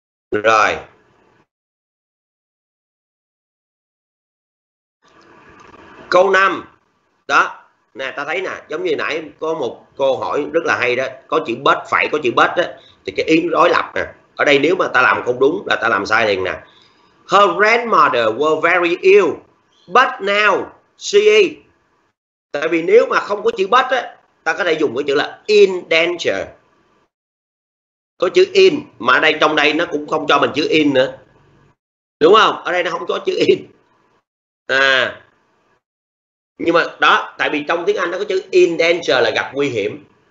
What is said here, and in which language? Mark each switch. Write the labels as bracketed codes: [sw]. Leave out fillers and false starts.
[vi] Rồi, câu 5 đó nè, ta thấy nè, giống như nãy có một câu hỏi rất là hay đó, có chữ bết phải có chữ bết đó, thì cái ý nó đối lập nè. Ở đây nếu mà ta làm không đúng là ta làm sai liền nè. [en] Her grandmother were very ill, but now she is. [vi] Tại vì nếu mà không có chữ but á, ta có thể dùng cái chữ là in danger. Có chữ in, mà ở đây trong đây nó cũng không cho mình chữ in nữa. Đúng không? Ở đây nó không có chữ in. À, nhưng mà đó, tại vì trong tiếng Anh nó có chữ [en] in danger [vi] là gặp nguy hiểm.